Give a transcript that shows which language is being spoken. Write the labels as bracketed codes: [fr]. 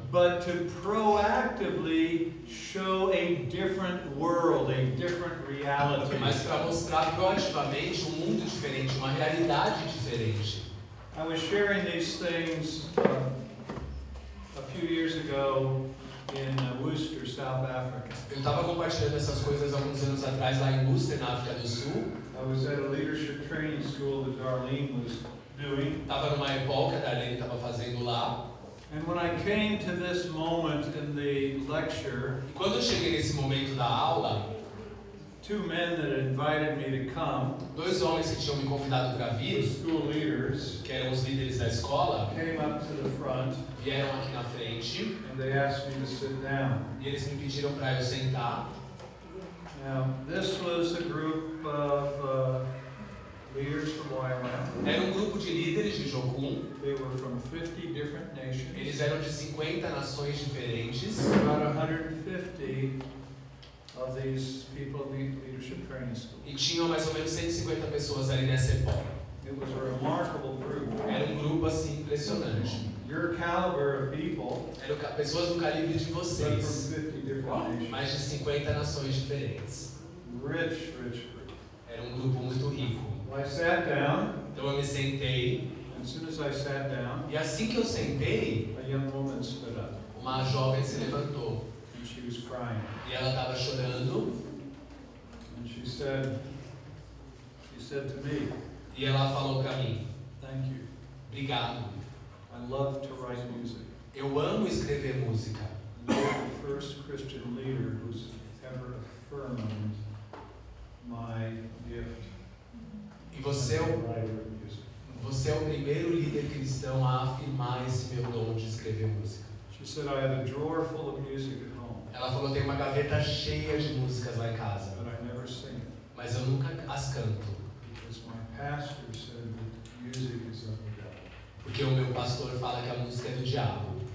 [en] but to proactively show a different world, a different reality. [pt] Mas para mostrar proativamente um mundo diferente, uma realidade diferente. [en] I was sharing these things a few years ago in Worcester, South Africa. [pt] Eu estava compartilhando essas coisas alguns anos atrás lá em Worcester, na África do Sul. [en] I was at a leadership training school that Darlene was doing. [pt] Tava numa escola que a Darlene estava fazendo lá. [en] And when I came to this moment in the lecture, [pt] quando eu cheguei nesse momento da aula, [en] two men that had invited me to come, [pt] dois homens que tinham me convidado para vir, [en] school leaders, [pt] que eram os líderes da escola, [en] came up to the front, [pt] vieram aqui na frente, [en] and they asked me to sit down. [pt] E eles me pediram para eu sentar. [en] Now, this was a group of leaders from YMF. [pt] Era um grupo de líderes de Jocum. [en] They were from 50 different nations. [pt] Eles eram de 50 nações diferentes. [en] About 150 of these people in the leadership training school. [pt] E tinham mais ou menos 150 pessoas ali nessa época. [en] It was a remarkable group. [pt] Era um grupo assim impressionante. [en] Your caliber of people. [pt] Eram pessoas do calibre de vocês. [en] But from 50 different nations. [pt] Mais de 50 nações diferentes. [en] Rich, rich group. [pt] Era um grupo muito rico. [en] I sat down. [pt] Então eu me sentei. [en] As soon as I sat down, [pt] e assim que eu sentei, [en] a young woman stood up. [pt] Uma jovem se levantou. [en] And she was crying. [pt] E ela estava chorando. [en] And she said to me, [pt] e ela falou para mim: [en] thank you. [pt] Obrigado. [en] I love to write music. [pt] Eu amo escrever música. [en] You're the first Christian leader who's ever affirmed my gift. [pt] E você é o primeiro líder cristão a afirmar esse meu dom de escrever música. [en] She said, I have a drawer full of music at home. [pt] Ela falou, tenho uma gaveta cheia de músicas lá em casa. [en] But I never sing. [pt] Mas eu nunca as canto. [en] Because my pastor said that music is of the devil. [pt] Porque o meu pastor fala que a música é do diabo.